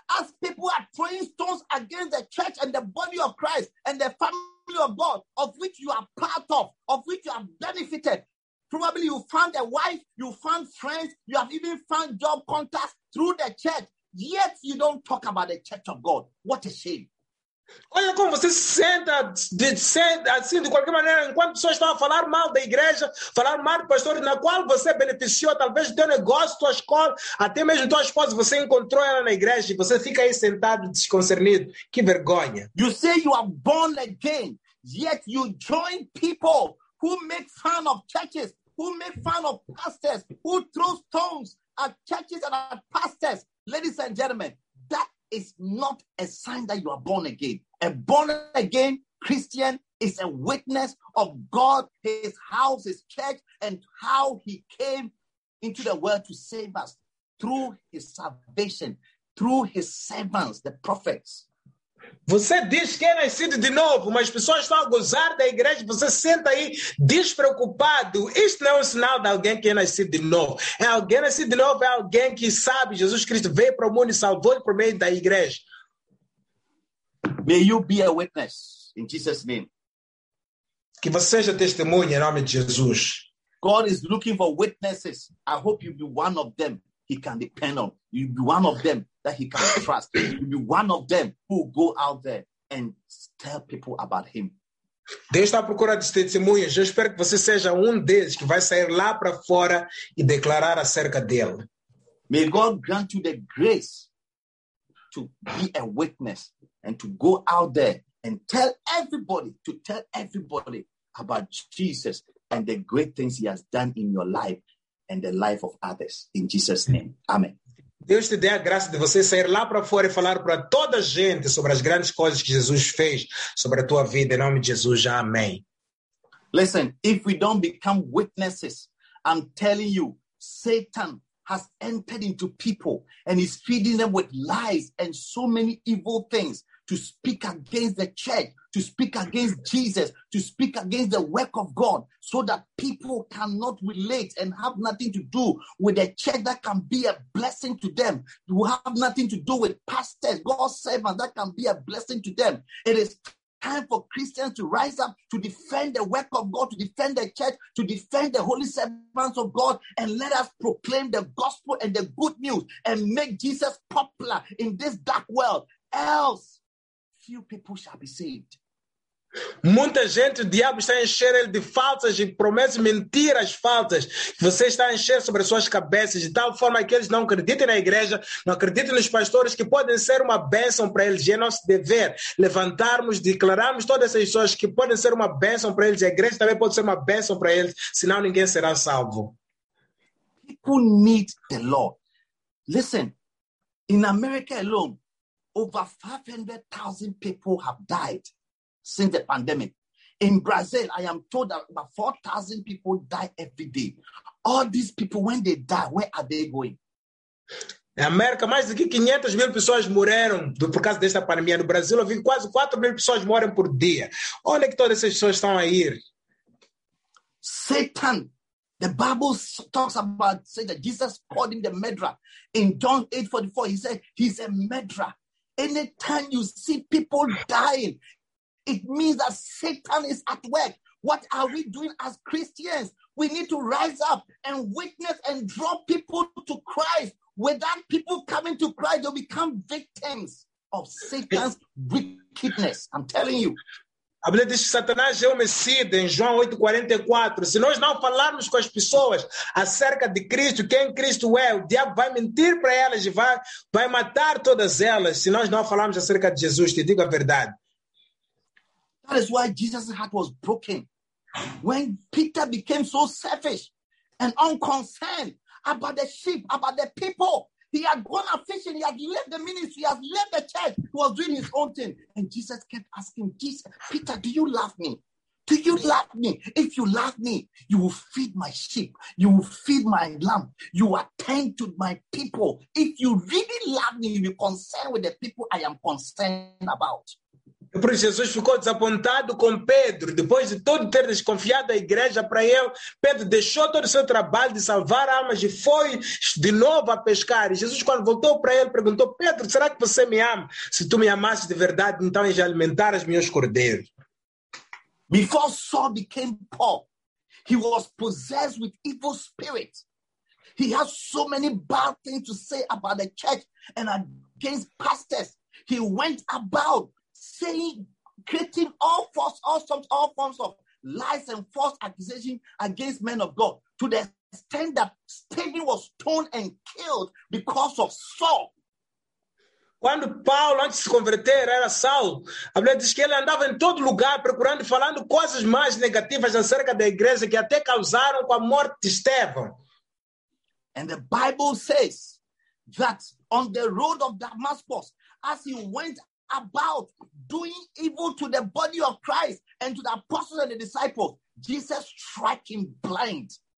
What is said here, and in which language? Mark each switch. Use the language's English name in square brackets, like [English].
[English] as people are throwing stones against the church and the body of Christ and the family of God, of which you are part of which you have benefited. Probably you found a wife, you found friends, you have even found job contacts through the church, yet you don't talk about the church of God. What a shame. [Portuguese] Olha como você se senta assim, de qualquer maneira, enquanto pessoas estão a falar mal da igreja, falar mal do pastor, na qual você beneficiou, talvez do teu negócio, tua escola, até mesmo tua esposa, você encontrou ela na igreja e você fica aí sentado, desconcernido. Que vergonha. [English] You say you are born again, yet you join people who make fun of churches, who make fun of pastors, who throw stones at churches and at pastors. Ladies and gentlemen, that is not a sign that you are born again. A born again Christian is a witness of God, his house, his church, and how he came into the world to save us through his salvation, through his servants, the prophets. [Portuguese] Você diz que é nascido de novo, mas as pessoas estão a gozar da igreja, você se senta aí despreocupado. Isto não é um sinal de alguém que é nascido de novo. É alguém nascido de novo, é alguém que sabe Jesus Cristo veio para o mundo e salvou-lhe por meio da igreja. [English] May you be a witness in Jesus' name. [Portuguese] Que você seja testemunha em nome de Jesus. [English] God is looking for witnesses. I hope you'll be one of them he can depend on. You'll be one of them that he can trust. You'll be one of them who go out there and tell people about him. [Portuguese] Deus está à procura de testemunhas. Eu espero que você seja um deles que vai sair lá para fora e declarar acerca dele. [English] May God grant you the grace to be a witness and to go out there and tell everybody about Jesus and the great things he has done in your life and the life of others. In Jesus' name, amen. [Portuguese] Deus te dê a graça de você sair lá para fora e falar para toda a gente sobre as grandes coisas que Jesus fez sobre a tua vida. Em nome de Jesus, amém. [English] Listen, if we don't become witnesses, I'm telling you, Satan has entered into people and is feeding them with lies and so many evil things to speak against the church, to speak against Jesus, to speak against the work of God, so that people cannot relate and have nothing to do with a church that can be a blessing to them. You have nothing to do with pastors, God's servants, that can be a blessing to them. It is time for Christians to rise up to defend the work of God, to defend the church, to defend the holy servants of God, and let us proclaim the gospel and the good news and make Jesus popular in this dark world. Else, few people shall be saved. [Portuguese] Muita gente, o diabo está a encher ele de falsas e promessas, mentiras falsas que você está a encher sobre as suas cabeças, de tal forma que eles não acreditem na igreja, não acreditem nos pastores, que podem ser uma bênção para eles. E é nosso dever levantarmos, declararmos todas essas pessoas que podem ser uma bênção para eles, e a igreja também pode ser uma bênção para eles, senão ninguém será salvo. [English] People need the Lord. Listen, in America alone, over 500,000 people have died since the pandemic. In Brazil, I am told that about 4,000 people die every day. All these people, when they die, where are they going? [Portuguese] Na América, mais de 500 mil pessoas morreram por causa desta pandemia. No Brasil, eu vi quase 4 mil pessoas morrem por dia. Onde é que todas essas pessoas estão a ir? [English] Satan. The Bible talks about, say that Jesus called him the murderer. In John 8:44, he said he's a murderer. Anytime you see people dying, it means that Satan is at work. What are we doing as Christians? We need to rise up and witness and draw people to Christ. Without people coming to Christ, they'll become victims of Satan's wickedness. I'm telling you. [Portuguese] A Bíblia diz que Satanás é homicida em João 8:44. Se nós não falarmos com as pessoas acerca de Cristo, quem Cristo é, o diabo vai mentir para elas e vai matar todas elas se nós não falarmos acerca de Jesus. Te digo a verdade. [English] That is why Jesus' heart was broken when Peter became so selfish and unconcerned about the sheep, about the people. He had gone out fishing, he had left the ministry, he had left the church, he was doing his own thing. And Jesus kept asking, Jesus, Peter, do you love me? Do you love me? If you love me, you will feed my sheep, you will feed my lamb, you attend to my people. If you really love me, you will be concerned with the people I am concerned about. [Portuguese] Por isso Jesus ficou desapontado com Pedro. Depois de todo ter desconfiado a igreja para ele, Pedro deixou todo o seu trabalho de salvar almas e foi de novo a pescar. E Jesus, quando voltou para ele, perguntou: Pedro, será que você me ama? Se tu me amasses de verdade, então ias alimentar os meus cordeiros. [English] Before Saul became Paul, he was possessed with evil spirits. He has so many bad things to say about the church and against pastors. He went about saying, creating all forms of lies and false accusations against men of God, to the extent that Stephen was stoned and killed because of Saul. [Portuguese] Quando Paulo, antes de se converter, era Saulo, a Bíblia diz que ele andava em todo lugar procurando, falando coisas mais negativas acerca da igreja, que até causaram com a morte de Estevão. [English] And the Bible says that on the road of Damascus, as he went about doing evil to the body of Christ and to the apostles and the disciples, Jesus struck him blind.